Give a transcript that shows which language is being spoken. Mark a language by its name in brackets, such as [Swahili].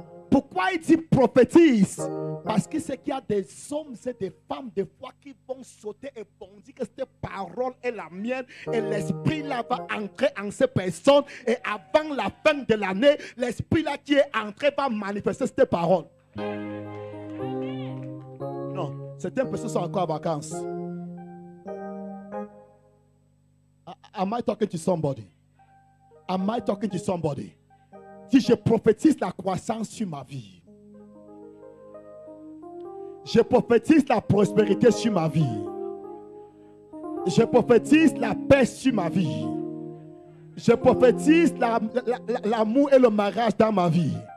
[French] Pourquoi il dit prophétise? Parce que c'est qu'il y a des hommes et des femmes des fois qui vont sauter et vont dire que cette parole est la mienne et l'esprit là va entrer en ces personnes et avant la fin de l'année, l'esprit là qui est entré va manifester cette parole. Non, certaines personnes sont encore en vacances. [English] Am I talking to somebody? Am I talking to somebody? [French] Si je prophétise la croissance sur ma vie. Je prophétise la prospérité sur ma vie. Je prophétise la paix sur ma vie. Je prophétise l'amour et le mariage dans ma vie.